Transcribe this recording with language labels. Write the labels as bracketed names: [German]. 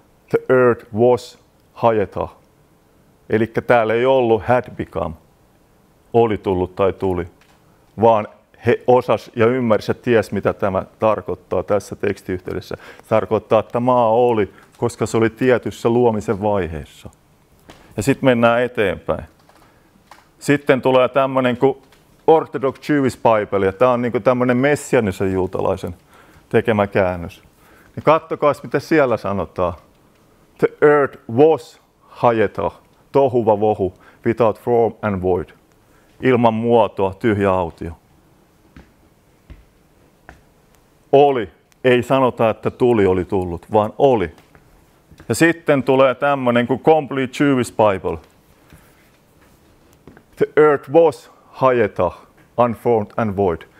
[English] The earth was [Finnish] hajetah, eli täällä ei ollut [English] had become, [Finnish] oli tullut tai tuli, vaan he osas ja ymmärsi ja ties, mitä tämä tarkoittaa tässä tekstiyhteydessä. Tarkoittaa, että maa oli, koska se oli tietyssä luomisen vaiheessa. ja sitten mennään eteenpäin. Sitten tulee tämmöinen kuin Orthodox Jewish Bible, ja tämä on niinku tämmöinen messianisen juutalaisen tekemä käännös. Ja kattokaa, mitä siellä sanotaan. [English] The earth was [Hebrew] hajeta, tohuva vohu, [English] without form and void. [Finnish] Ilman muotoa, tyhjä autio. Oli. Ei sanota, että tuli oli tullut, vaan oli. Ja sitten tulee tämmöinen kuin Complete Jewish Bible. [English] The earth was hajeta, unformed and void.